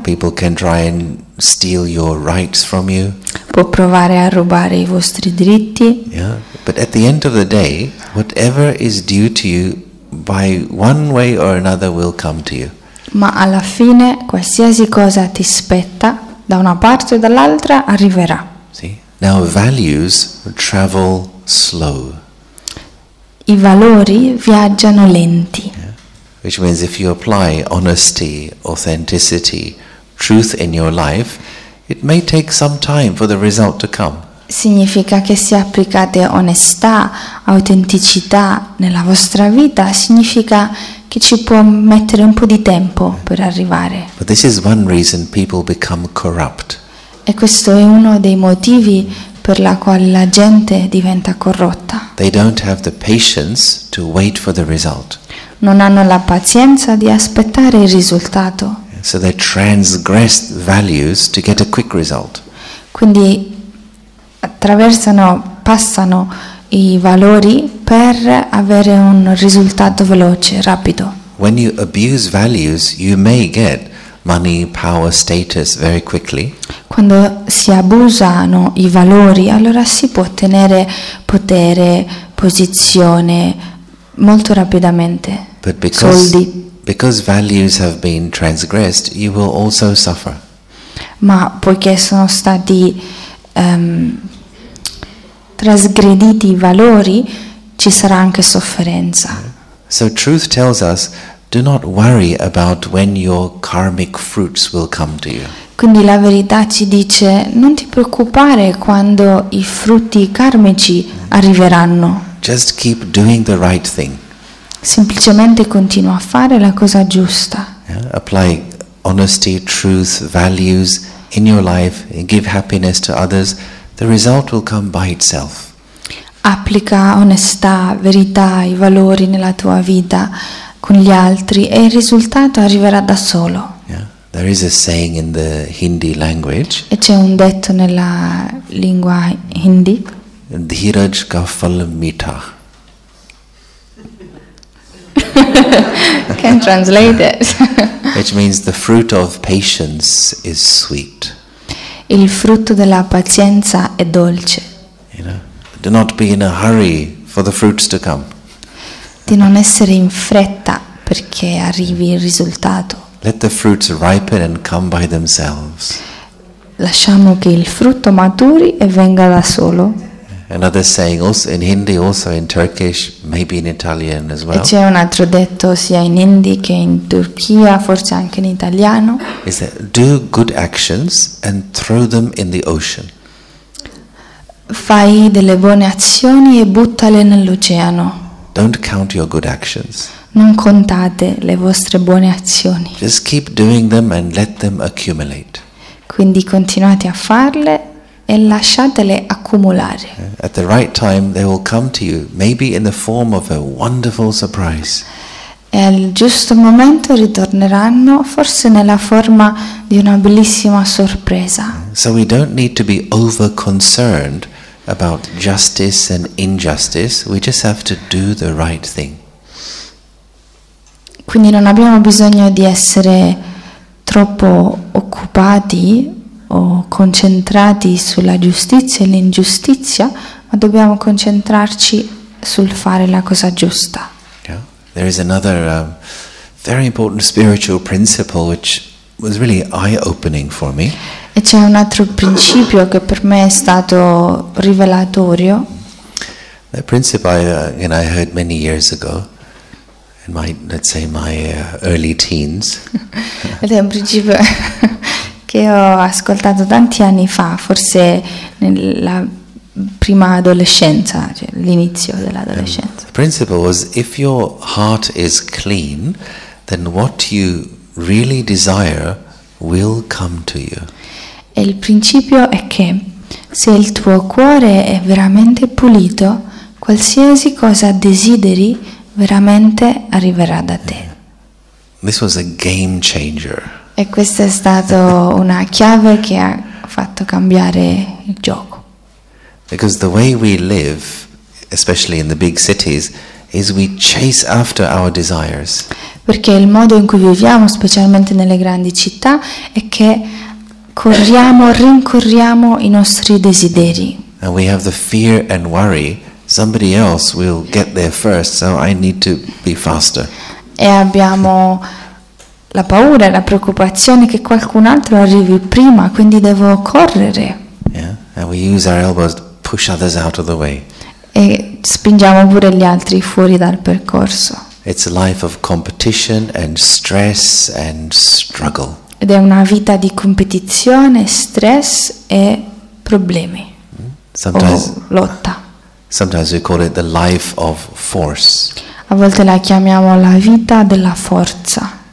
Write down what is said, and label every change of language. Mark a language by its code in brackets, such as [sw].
[en] People can try and steal your rights from you. [it] Può provare a rubare i vostri diritti. [en] Yeah. But at the end of the day, whatever is due to you, by one way or another, will come to you. [it] Ma alla fine, qualsiasi cosa ti spetta, da una parte o dall'altra, arriverà. [en] Now values travel slow. [it] I valori viaggiano lenti. [en] Yeah. Which means if you apply honesty, authenticity, truth in your life, it may take some time for the result to come. [it] significa che se applicate onestà, autenticità nella vostra vita, significa che ci può mettere un po' di tempo per arrivare. [en] But this is one reason people become corrupt. [it] E questo è uno dei motivi per la quale la gente diventa corrotta. [en] They don't have the patience to wait for the result. [it] Non hanno la pazienza di aspettare il risultato. [en] So they transgress values to get a quick result. [it] Quindi attraversano, passano i valori per avere un risultato veloce, rapido. [en] When you abuse values, you may get money, power, status very quickly. [it] Quando si abusano i valori, allora si può ottenere potere, posizione molto rapidamente. [en] But because values have been transgressed, you will also suffer. [it] Ma poiché sono stati trasgrediti i valori, ci sarà anche sofferenza. [en] So truth tells us, do not worry about when your karmic fruits will come to you. [it] Quindi la verità ci dice, non ti preoccupare quando i frutti karmici arriveranno. [en] Just keep doing the right thing. [it] Semplicemente continua a fare la cosa giusta. [en] Yeah, apply honesty, truth, values in your life, and give happiness to others. The result will come by itself. [it] Applica onestà, verità, i valori nella tua vita con gli altri e il risultato arriverà da solo. [en] Yeah. There is a saying in the Hindi language. [it] E c'è un detto nella lingua Hindi. [hi] Dhiraj ka phal meetha. [en] Can translate it. Which means the fruit of patience is sweet. [it] Il frutto della pazienza è dolce. [en] You know, do not be in a hurry for the fruits to come. [it] Di non essere in fretta perché arrivi il risultato. [en] Let the fruits ripen and come by themselves. [it] Lasciamo che il frutto maturi e venga da solo. [en] Another saying also in Hindi, also in Turkish, maybe in Italian as well. [it] E c'è un altro detto sia in Hindi che in Turchia, forse anche in italiano. [en] Is that do good actions and throw them in the ocean. [it] Fai delle buone azioni e buttale nell'oceano. [en] Don't count your good actions. [it] Non contate le vostre buone azioni. [en] Just keep doing them and let them accumulate. [it] Quindi continuate a farle e lasciatele accumulare. [en] At the right time they will come to you, maybe in the form of a wonderful surprise. [it] E al giusto momento ritorneranno, forse nella forma di una bellissima sorpresa. [en] So we don't need to be over concerned about justice and injustice, we just have to do the right thing. [it] Quindi non abbiamo bisogno di essere troppo occupati o concentrati sulla giustizia e l'ingiustizia, ma dobbiamo concentrarci sul fare la cosa giusta. [en] Yeah. There is another very important spiritual principle which was really eye-opening for me. [it] E c'è un altro principio che per me è stato rivelatorio. [en] The principle I heard many years ago in my, let's say, my early teens. [it] Ed è un principio che ho ascoltato tanti anni fa, forse nella prima adolescenza, cioè l'inizio dell'adolescenza. [en] The principle was, if your heart is clean, then what you really desire will come to you. [it] E il principio è che se il tuo cuore è veramente pulito, qualsiasi cosa desideri veramente arriverà da te. [en] This was a game changer. [it] E questa è stata una chiave che ha fatto cambiare il gioco. [en] Because the way we live, especially in the big cities, is we chase after our desires. [it] Perché il modo in cui viviamo, specialmente nelle grandi città, è che corriamo, rincorriamo i nostri desideri. [en] And we have the fear and worry, somebody else will get there first, so I need to be faster. [it] E abbiamo la paura, la preoccupazione che qualcun altro arrivi prima, quindi devo correre. [en] Yeah, and we use our elbows to push others out of the way. [it] E spingiamo pure gli altri fuori dal percorso. [en] It's a life of competition and stress and struggle. [it] Ed è una vita di competizione, stress e problemi. lotta. [en] Sometimes we call it the life of force. [it] A volte la chiamiamo la vita della forza.